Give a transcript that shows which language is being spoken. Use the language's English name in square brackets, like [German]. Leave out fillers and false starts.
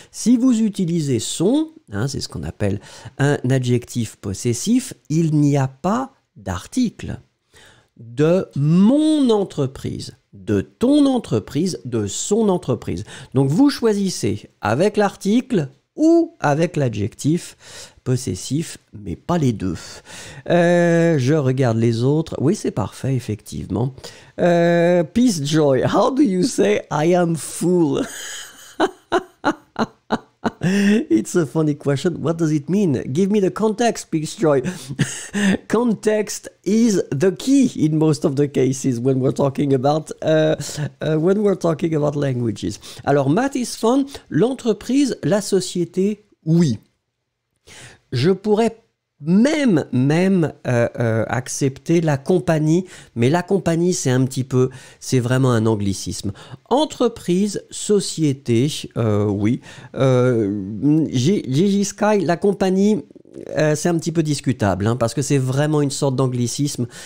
[French] Si vous utilisez son, hein, c'est ce qu'on appelle un adjectif possessif, il n'y a pas d'article. De mon entreprise, de ton entreprise, de son entreprise. Donc vous choisissez avec l'article ou avec l'adjectif possessif, mais pas les deux. Je regarde les autres. Oui, c'est parfait, effectivement. [English] Peace Joy, how do you say I am full? It's a funny question. What does it mean? Give me the context, Peace Joy. Context is the key in most of the cases when we're talking about languages. [French] Alors, Matt is fun. L'entreprise, la société, oui. Je pourrais même accepter la compagnie, mais la compagnie, c'est un petit peu, c'est vraiment un anglicisme. Entreprise, société, oui. Gigi Sky, la compagnie, c'est un petit peu discutable, hein, parce que c'est vraiment une sorte d'anglicisme.